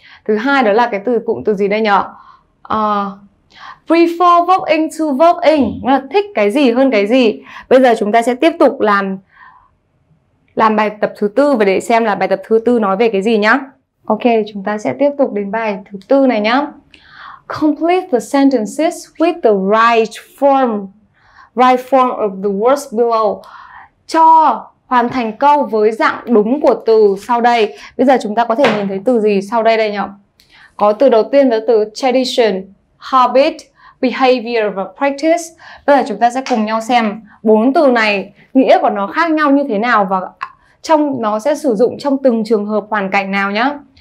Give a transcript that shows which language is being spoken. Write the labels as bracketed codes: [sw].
[vi] Thứ hai đó là cái từ cụm từ gì đây nhỉ? [en] Prefer verb ing to verb ing, [vi] nghĩa là thích cái gì hơn cái gì. Bây giờ chúng ta sẽ tiếp tục làm bài tập thứ tư và để xem là bài tập thứ tư nói về cái gì nhá. Ok, chúng ta sẽ tiếp tục đến bài thứ tư này nhá. [en] Complete the sentences with the right form of the words below. [vi] Cho hoàn thành câu với dạng đúng của từ sau đây. Bây giờ chúng ta có thể nhìn thấy từ gì sau đây đây nhỉ? Có từ đầu tiên là từ tradition, habit, behavior và practice. Bây giờ chúng ta sẽ cùng nhau xem bốn từ này nghĩa của nó khác nhau như thế nào và trong nó sẽ sử dụng trong từng trường hợp hoàn cảnh nào nhá.